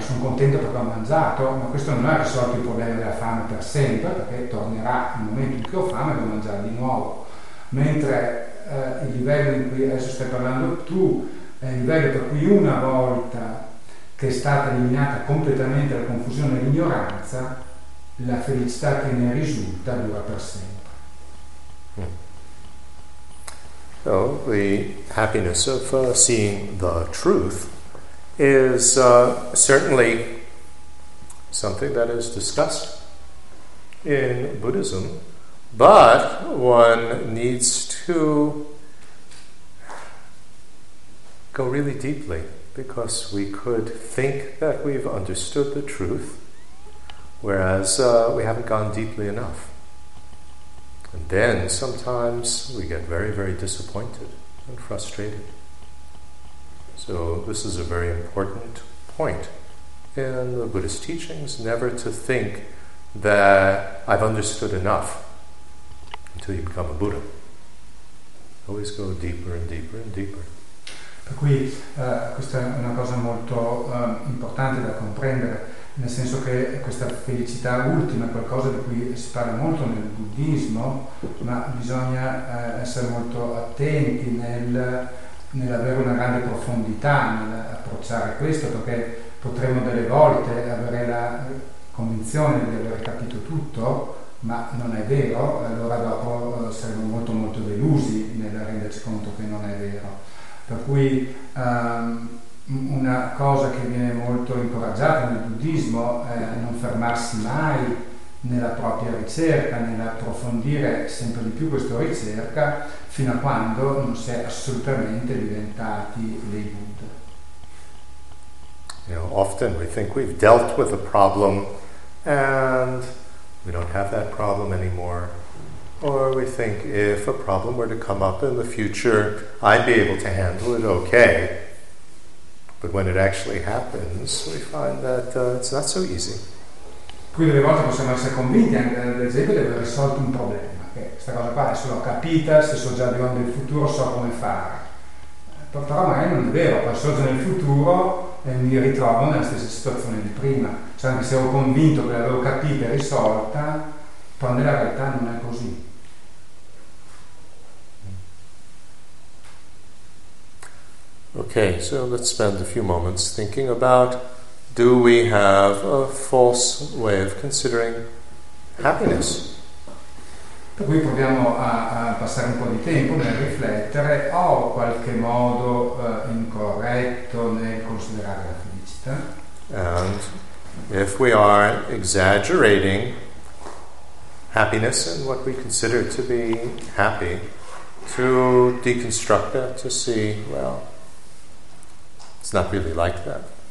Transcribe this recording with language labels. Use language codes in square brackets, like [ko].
[it] Sono contento perché ho mangiato, ma questo non ha risolto il problema della fame per sempre, perché tornerà il momento in cui ho fame e devo mangiare di nuovo. Mentre il livello in cui adesso stai parlando tu, è il livello per cui una volta che è stata eliminata completamente la confusione e l'ignoranza, la felicità che ne risulta dura per sempre. [en] So the happiness of seeing the truth is certainly something that is discussed in Buddhism, but one needs to go really deeply, because we could think that we've understood the truth, whereas we haven't gone deeply enough. And then sometimes we get very, very disappointed and frustrated. So this is a very important point in the Buddhist teachings, never to think that I've understood enough until you become a Buddha. Always go deeper and deeper and deeper. [it] Per cui questa è una cosa molto importante da comprendere, nel senso che questa felicità ultima è qualcosa di cui si parla molto nel buddismo, ma bisogna essere molto attenti nell'avere una grande profondità nell'approcciare questo, perché potremmo delle volte avere la convinzione di aver capito tutto, ma non è vero, allora dopo saremo molto molto delusi nel renderci conto che non è vero. Per cui una cosa che viene molto incoraggiata nel buddismo è non fermarsi mai nella propria ricerca, nell'approfondire sempre di più questa ricerca, fino a quando non si è assolutamente diventati dei Buddha. [en] You know, often we think we've dealt with a problem and we don't have that problem anymore. Or we think if a problem were to come up in the future, I'd be able to handle it okay. But when it actually happens, we find that it's not so easy. [it] Qui delle volte possiamo essere convinti, anche ad esempio, di aver risolto un problema. Che questa cosa qua se l'ho capita, se so già di onde il futuro, so come fare. Però magari non è vero, poi sorge nel futuro e mi ritrovo nella stessa situazione di prima. Cioè, anche se ero convinto che l'avevo capita e risolta, poi nella realtà non è così. [en] Okay, so let's spend a few moments thinking about, do we have a false way of considering happiness? [it] Per cui proviamo a passare un po' di tempo nel riflettere, ho qualche modo incorretto nel considerare la felicità? [en] And if we are exaggerating happiness and what we consider to be happy, to deconstruct that, to see, well, it's not really like that.